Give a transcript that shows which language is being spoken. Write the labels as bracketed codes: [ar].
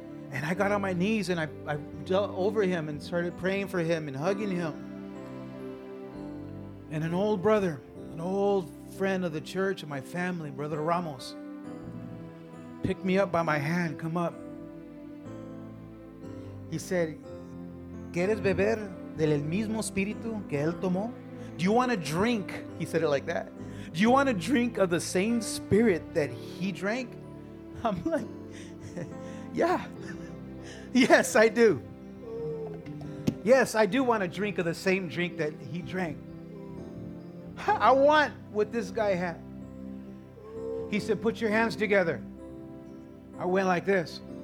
[en] And I got on my knees and I dealt over him and started praying for him and hugging him. And an old brother, an old friend of the church and my family, Brother Ramos, picked me up by my hand. Come up. He said, [es] ¿Quieres beber del mismo espíritu que él tomó? [en] Do you want to drink? He said it like that. Do you want to drink of the same spirit that he drank? I'm like, yeah. Yes, I do. Yes, I do want to drink of the same drink that he drank. I want what this guy had. He said, put your hands together. I went like this.